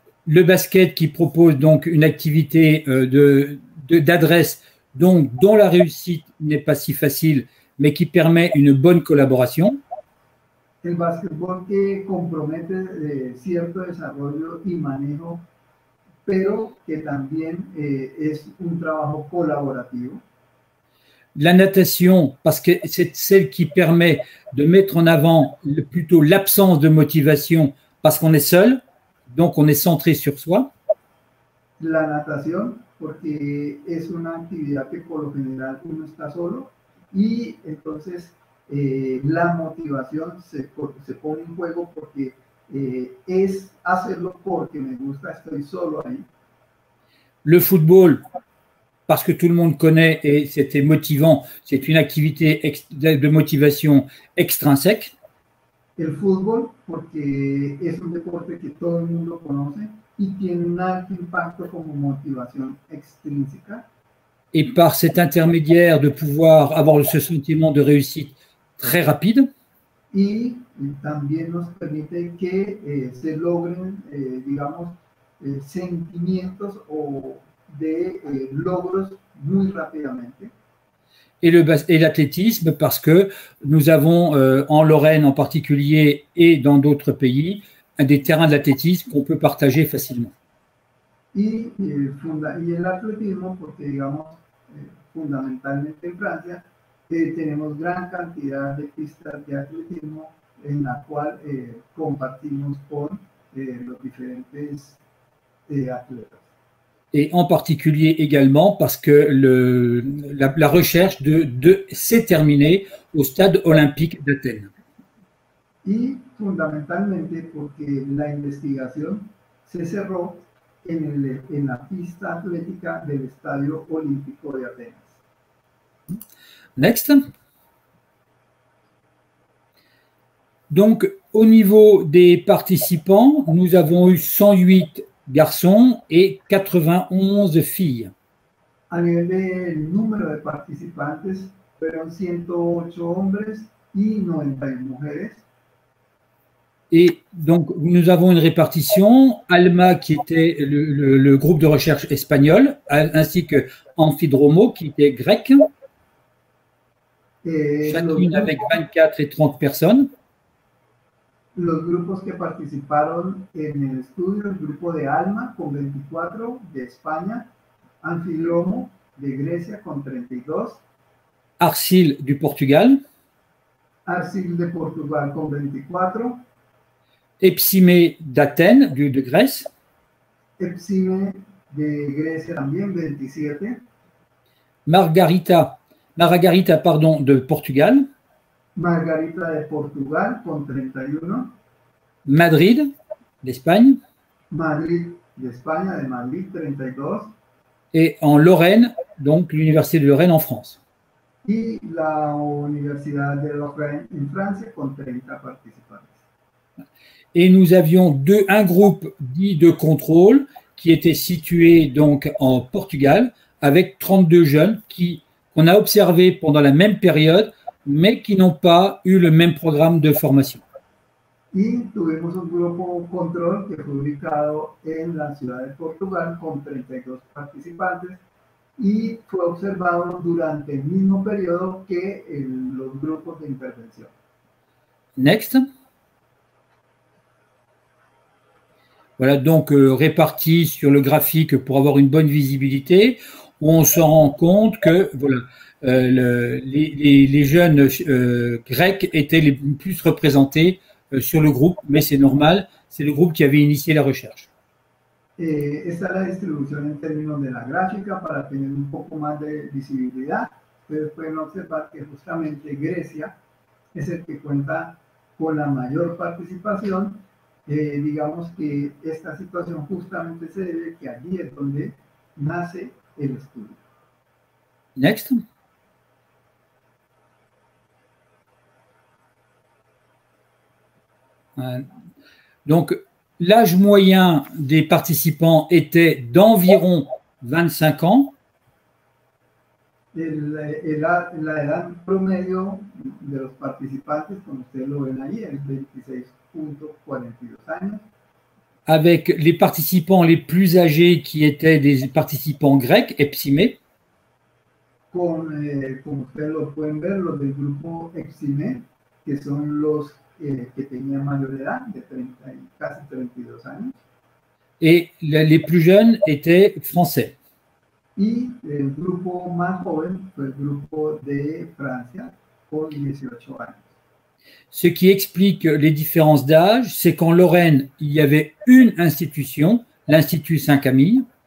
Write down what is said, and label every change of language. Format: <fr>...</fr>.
<fr>Le basket qui propose donc une activité d'adresse dont la réussite n'est pas si facile, mais qui permet une bonne collaboration.</fr> <es>El basquetbol que compromete cierto desarrollo y manejo, pero que también es un trabajo colaborativo.</es> <fr>La natation, parce que c'est celle qui permet de mettre en avant plutôt l'absence de motivation parce qu'on est seul, donc on est centré sur soi.</fr> <es>La natación, porque es una actividad que por lo general uno está solo, y entonces la motivación se pone en juego porque es hacerlo porque me gusta, estoy solo ahí.</es> <fr>Le football, parce que tout le monde connaît et c'était motivant, c'est une activité de motivation extrinsèque.</fr> <es>El fútbol, porque es un deporte que todo el mundo conoce y tiene un alto impacto como motivación extrínseca.</es> <fr>Et par cet intermédiaire de pouvoir avoir ce sentiment de réussite très rapide.</fr> <es>Y también nos permite que se logren, digamos, sentimientos o de logros muy rápidamente.</es> <fr>Et l'athlétisme, parce que nous avons en Lorraine en particulier et dans d'autres pays des terrains d'athlétisme qu'on peut partager facilement. Et l'athlétisme, parce que,</fr> <es>digamos,</es> <fr>fondamentalement en France,</fr> <es>tenemos gran cantidad de pistas de atletismo en la cual compartimos con los diferentes atletas.</es> <fr>Et en particulier également parce que la recherche de s'est terminée au stade olympique d'Athènes.</fr> <es>Y fundamentalmente porque la investigación se cerró en la pista atlética del Estadio Olímpico de Atenas.</es> <en>Next.</en> <fr>Donc, au niveau des participants, nous avons eu 108 garçons et 91 filles.</fr> <es>A nivel del número de participantes, fueron 108 hombres y 91 mujeres.</es> <fr>Et donc, nous avons une répartition, ALMA, qui était le groupe de recherche espagnol, ainsi que Amphidromo, qui était grec. Chacune avec 24 et 30 personnes.</fr> <es>Los grupos que participaron en el estudio, el grupo de ALMA con 24 de España, Amphidromo de Grecia con 32,</es> <fr>Arcil du Portugal,</fr> <es>Arcil de Portugal con 24,</es> <fr>Epsime d'Athènes de Grèce,</fr> <es>Epsime de Grecia también 27,</es> <fr>Margarita, de Portugal.</fr> <es>Margarita de Portugal con 31.</es> <fr>Madrid, d'Espagne.</fr> <es>Madrid,</es> <fr>d'Espagne,</fr> <es>de Madrid, 32.</es> <fr>Et en Lorraine, donc l'Université de Lorraine en France. Et</fr> <es>la Universidad de Lorraine</es> <fr>en France,</fr> <es>con 30 participantes.</es> <fr>Et nous avions un groupe dit de contrôle qui était situé donc en Portugal avec 32 jeunes qu'on a observés pendant la même période mais qui n'ont pas eu le même programme de formation.</fr> <es>Y tuvimos un grupo control que fue ubicado en la ciudad de Portugal con 32 participantes y fue observado durante el mismo periodo que los grupos de intervención.</es> <en>Next.</en> <fr>Voilà donc réparti sur le graphique pour avoir une bonne visibilité, où on se rend compte que voilà, les jeunes grecs étaient les plus représentés sur le groupe, mais c'est normal, c'est le groupe qui avait initié la recherche.</fr> <es>Esta es la distribución en términos de la gráfica para tener un poco más de visibilidad, pero pueden observar que justamente Grecia es el que cuenta con la mayor participación. Digamos que esta situación justamente se debe que allí es donde nace el estudio.</es> <en>Next.</en> <fr>Donc, l'âge moyen des participants était d'environ 25 ans.</fr> <es>La edad promedio de los participantes, como ustedes lo ven ahí, es 26.42 años.</es> <fr>Avec les participants les plus âgés qui étaient des participants grecs, Epsimé. Comme</fr> <es>ustedes lo pueden ver, los del grupo Epsimé, que son los que tenían mayor edad, de 30, casi 32 años.</es> <fr>Et les plus jeunes étaient français.</fr> <es>Y el grupo más joven fue el grupo de Francia, con 18 años.</es> <fr>Ce qui explique les différences d'âge, c'est qu'en Lorraine, il y avait une institution, l'Institut Saint-Camille.</fr>